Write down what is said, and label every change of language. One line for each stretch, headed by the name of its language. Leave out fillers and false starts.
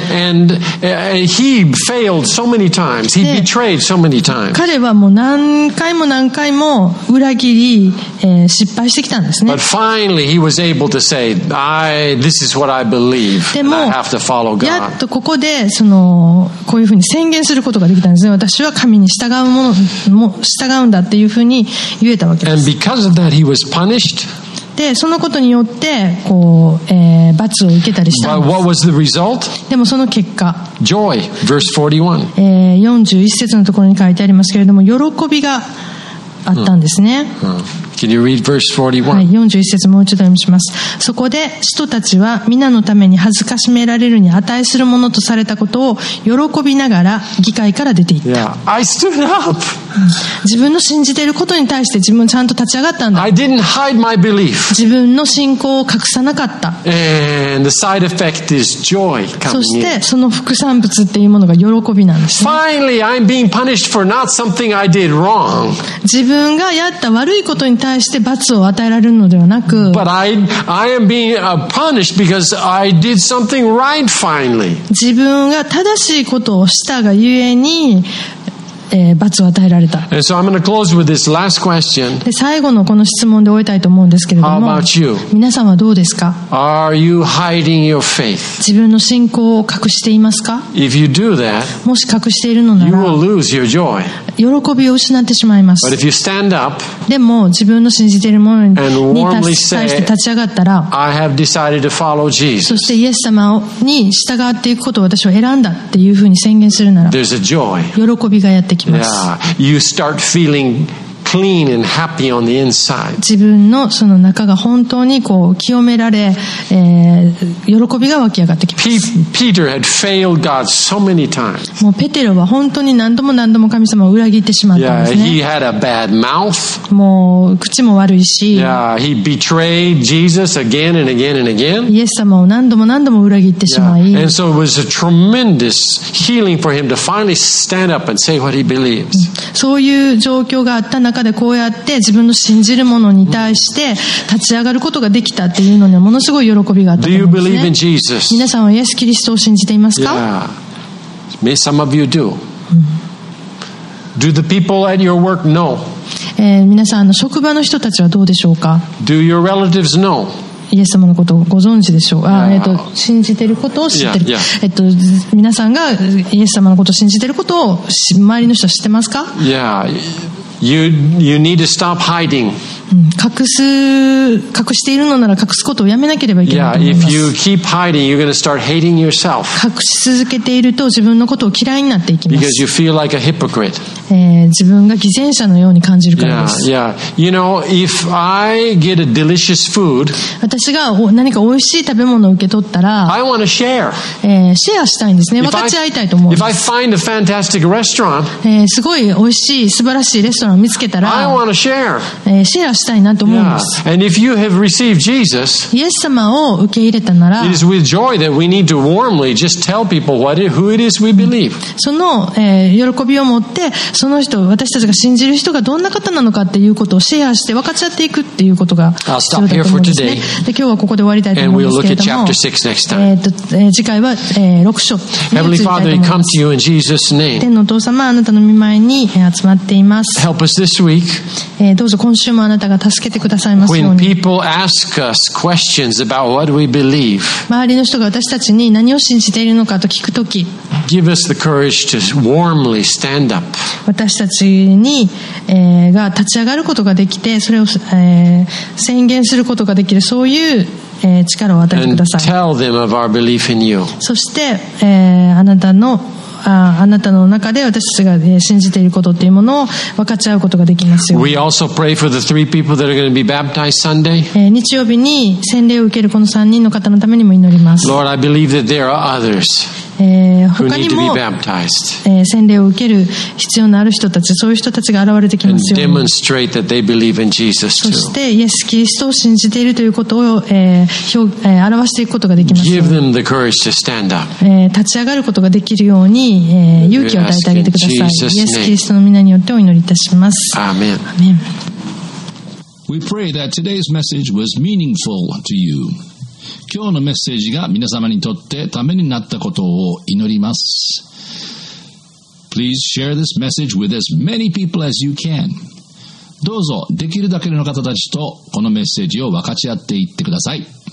English: and he failed so many times. He betrayed so many times.
Japanese: 彼はもう何回も何回も裏切り、失敗してきたんですね。
English: But finally he was able to say, this is what I believe.
Japanese: でも、
English: I have to follow God.
Japanese: やっとここでそのこういうふうに宣言することができたんですね。私は神に従うものも従うんだっていうふうに言えたわけです。
English: And because of that he was punished.
Japanese: でそのことによってこう、罰を受けたりしたんです。
English: But what was the result?
Japanese: でもその結果
English: Joy, verse 41.
Japanese: 41節のところに書いてありますけれども喜びがあったんですね。
English: Can you read verse 41?
Japanese: はい、41節もう一度読みします。そこで使徒たちは皆のために恥ずかしめられるに値するものとされたことを喜びながら議会から出ていった。
English: Yeah, I stood up.
Japanese: 自分の信じていることに対して自分ちゃんと立ち上がったんだ。
English: I didn't hide my belief.
Japanese: 自分の信仰を隠さなかった。
English: And the side effect is joy coming in.
Japanese: そしてその副産物っていうものが喜びなんです、ね、
English: Finally I'm being punished for not something I did wrong.
Japanese: 自分がやった悪いことに対して罰を与えられるのではなく、
English: But I am being punished because I did something right finally.
Japanese: 自分が正しいことをしたがゆえに罰を与えられた。
English: And so I'm going to close with this last question.
Japanese: で最後のこの質問で終えたいと思うんですけれども、
English: How about you?
Japanese: 皆さんはどうですか？
English: Are you hiding your faith?
Japanese: 自分の信仰を隠していますか？
English: If you do that,
Japanese: もし隠しているのなら
English: you will lose your joy.
Japanese: 喜びを失ってしまいます。
English: But if you stand up,
Japanese: でも自分の信じているものに対して立ち上がったら
English: I have decided to follow Jesus.
Japanese: そしてイエス様に従っていくことを私は選んだっていうふうに宣言するなら
English: There's a joy.
Japanese: 喜びがやって
English: You start feeling clean and happy on the inside.
Japanese: 自分のその中が本当にこう清められ、喜びが湧き上がってきます。
English: Peter had failed God so many times.
Japanese: もうペテロは本当に何度も何度も神様を裏切ってしまったんですね。
English: Yeah, he had a bad mouth.
Japanese: もう口も悪いし。
English: Yeah, he betrayed Jesus again and again and again.
Japanese: イエス様を何度も何度も裏切ってしまい。
English: Yeah. And so it was a tremendous healing for him to finally stand up and say what he believes.
Japanese: そういう状況があった中でこうやって自分の信じるものに対して立ち上がることができたっていうのにはものすごい喜びがあったと思うんですね。皆さんはイエス・キリストを信じていますか？
English: May some of you do. Do the people at your work know?
Japanese: 皆さんの職場の人たちはどうでしょうか？
English: Do your relatives know?
Japanese: イエス様のことをご存知でしょう。あ、信じていることを知ってる。皆さんがイエス様のことを信じていることを周りの人は知ってますか？
English: Yeah. You need to stop hiding.
Japanese: 隠しているのなら隠すことをやめなければいけないと思います。
English: Yeah. If you keep hiding, you're going to start hating yourself.
Japanese: 隠し続けていると自分のことを嫌いになっていきます。
English: Because you feel like a hypocrite.
Japanese: 自分が偽善者のように感じるからです。
English: Yeah. Yeah. You know, if I get a delicious food,
Japanese: 私が何か美味しい食べ物を受け取ったら、
English: I want to share.
Japanese: シェアしたいんですね。分かち合いたいと思うんです。
English: If I find a fantastic restaurant,
Japanese: すごい美味しい素晴らしいレストランを見つけたら、シェアしたいなと思うんです。
English: Yeah. And if you have received Jesus,
Japanese: イエス様を受け入れたなら、
English: it is with joy that we need to warmly just tell people who it is we believe.
Japanese: その、喜びを持って、その人、私たちが信じる人がどんな方なのかっていうことをシェアして分かち合っていくっていうことが必要だと思うんですね。で、今日はここで終わりたいと思うんですけれども、
English: And we'll look at chapter 6 next time.
Japanese: 次回は、6章に移りたいと思います。
English: In Jesus' name.
Japanese: 天のお父様、あなたの御前に集まっています。
English: Help us this week.
Japanese: どうぞ今週もあなたが助けてくださいますように。
English: When people ask us questions about what we believe,
Japanese: 周りの人が私たちに何を信じているのかと聞くとき、
English: give us the courage to warmly stand up.
Japanese: 私たちに、が立ち上がることができて、それを、宣言することができる、そういう力を与えてください。
English: And tell them of our belief in you.
Japanese: そして、あなたのあなたの中で私たちが信じていることっていうものを分かち合うことができますように。
English: We also pray for the three people that are going to be baptized Sunday.
Japanese: 日曜日に洗礼を受けるこの3人の方のためにも祈ります。
English: Lord, I believe that there are others.
Japanese: 他にも洗礼を受ける必要のある人たち、そういう人たちが現れてきますように。
English: And demonstrate that they believe in Jesus too.
Japanese: そしてイエス・キリストを信じているということを表していくことができますように。
English: Give them the courage to stand up.
Japanese: 立ち上がることができるように。勇気を与えてあげてください。イエス・キリストの皆によってお祈りいたします。アーメン。
English: We pray that today's message was meaningful to you.
Japanese: 今日のメッセージが皆様にとってためになったことを祈ります。
English: Please share this message with as many people as you can.
Japanese: どうぞできるだけの方たちとこのメッセージを分かち合っていってください。